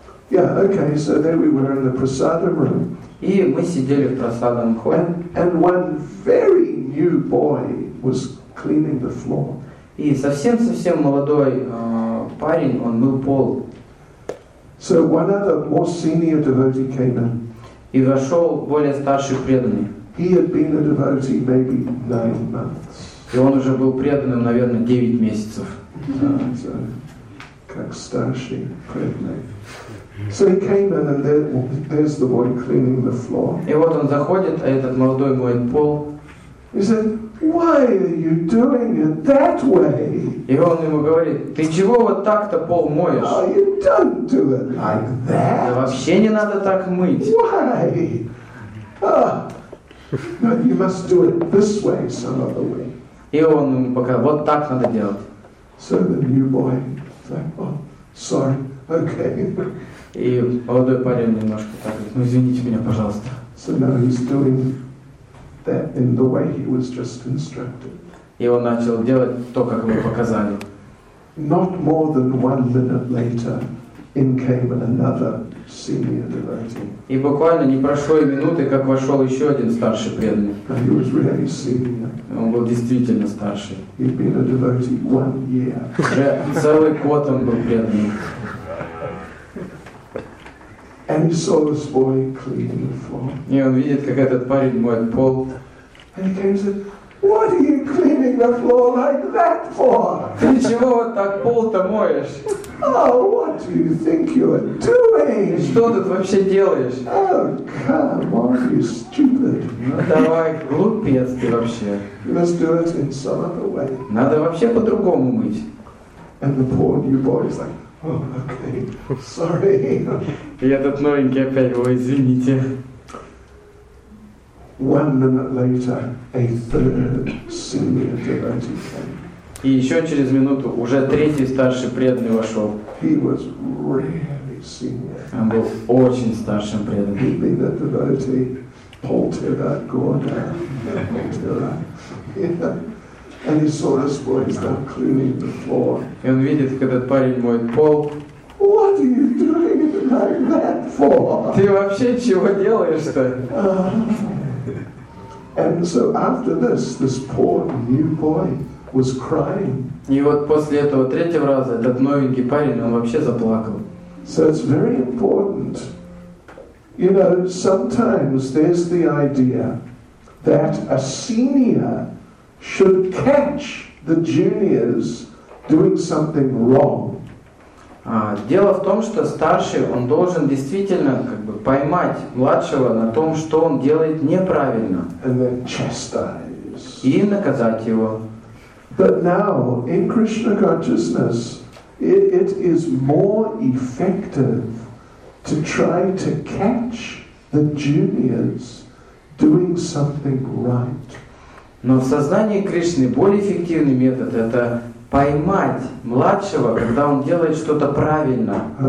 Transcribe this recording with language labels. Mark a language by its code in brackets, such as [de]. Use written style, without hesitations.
[en] Yeah, okay, so there we were in the prasadam room. [ru] И мы сидели в прасадном холле. [en] And one very new boy was cleaning the floor. [ru] И совсем-совсем молодой парень, он мыл пол. [en] So one other more senior devotee came in. [ru] И вошел более старший преданный. [en] He had been a devotee maybe 9 months. [ru] И он уже был преданным, наверное, 9 месяцев. So, как старший преданный. [en] So he came in and there's the boy cleaning the floor. [ru] И вот он заходит, а этот молодой моет пол. [en] He said, "Why are you doing it that way?" [ru] И он ему говорит, ты чего вот так-то пол моешь? [en] No, you don't do it like that. [ru] Да вообще не надо так мыть. [en] Why? No, you must do it this way, some other way. [ru] И он ему показал, вот так надо делать. [en] So the new boy said, "Oh, sorry, okay." [ru] И молодой парень немножко так говорит, ну извините меня, пожалуйста. [en] So now he's doing that in the way he was just instructed. [ru] И он начал делать то, как ему показали. [en] Not more than 1 minute later, in came another senior devotee. [ru] И буквально не прошло и минуты, как вошел еще один старший преданный. [en] And he was really senior. [ru] Он был действительно старший. [en] He'd been a devotee 1 year. [ru] Уже целый год он был преданный. [en] And he saw this boy cleaning the floor. [ru] И он видит, как этот парень моет пол. [en] And he came and said, "What are you cleaning the floor like that for?" [ru] Ты чего вот так пол-то моешь? [en] Oh, what do you think you're doing? [ru] Что тут вообще делаешь? [en] Oh, come on, you stupid! [ru] Ну давай, глупец ты вообще. [en] You must do it in some other way. [ru] Надо вообще по-другому мыть. [en] And the poor new boy is like. Oh, okay. Sorry. [ru] И этот новенький опять, ой, извините. [en] 1 minute later, a third senior devotee came. [ru] И еще через минуту уже третий старший преданный вошел. [en] He was really senior. [ru] Он был очень старшим преданным. [en] He'd been a devotee, Poltera Gorda, Poltera. And he saw this boy start cleaning the floor. [ru] И он видит, как этот парень моет пол. [en] What are you doing like that for? [ru] Ты вообще чего делаешь-то? [en] And so after this poor new boy was crying. [ru] И вот после этого третьего раза этот новенький парень, он вообще заплакал. [en] So it's very important. You know, sometimes there's the idea that a senior should catch the juniors doing something wrong. [ru] Дело в том, что старший, он должен действительно как бы поймать младшего на том, что он делает неправильно. [en] And then chastise. [ru] И наказать его. [en] But now, in Krishna consciousness, it is more effective to try to catch the juniors doing something right. [ru] Но в сознании Кришны более эффективный метод – это поймать младшего, когда он делает что-то правильно.